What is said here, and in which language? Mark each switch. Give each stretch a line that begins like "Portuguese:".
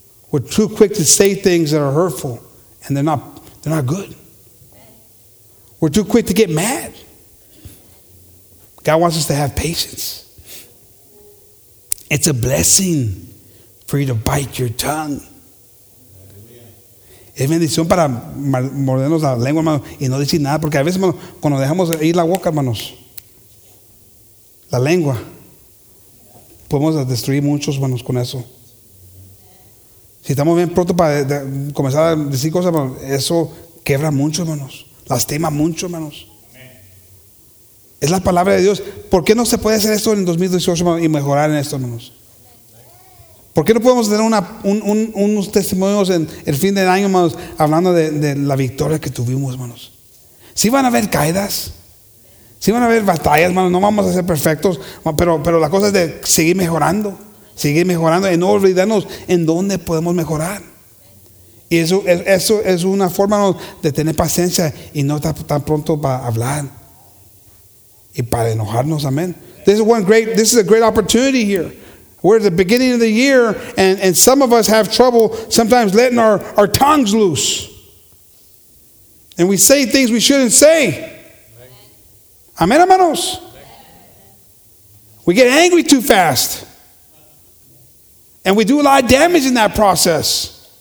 English: We're too quick to say things that are hurtful and they're not good. We're too quick to get mad. God wants us to have patience. It's a blessing for you to bite your tongue.
Spanish: Es bendición para mordernos la lengua, hermano, y no decir nada. Porque a veces, cuando dejamos ir la boca, hermanos, la lengua, podemos destruir muchos, hermanos, con eso. Si estamos bien pronto para comenzar a decir cosas, hermanos, eso quebra mucho, hermanos. Lastima mucho, hermanos. Es la palabra de Dios. ¿Por qué no se puede hacer esto en 2018, hermanos, y mejorar en esto, hermanos? ¿Por qué no podemos tener unos testimonios en el fin del año, hermanos, hablando de la victoria que tuvimos, hermanos? Sí van a haber caídas. Sí van a haber batallas, hermanos. No vamos a ser perfectos, pero la cosa es de seguir mejorando. Seguir mejorando y no olvidarnos en dónde podemos mejorar. Y eso es una forma, hermanos, de tener paciencia y no estar tan pronto para hablar y para enojarnos.
English: Amén. This is a great opportunity here. We're at the beginning of the year, and some of us have trouble sometimes letting our tongues loose. And we say things we shouldn't say. Amen, hermanos. We get angry too fast. And we do a lot of damage in that process.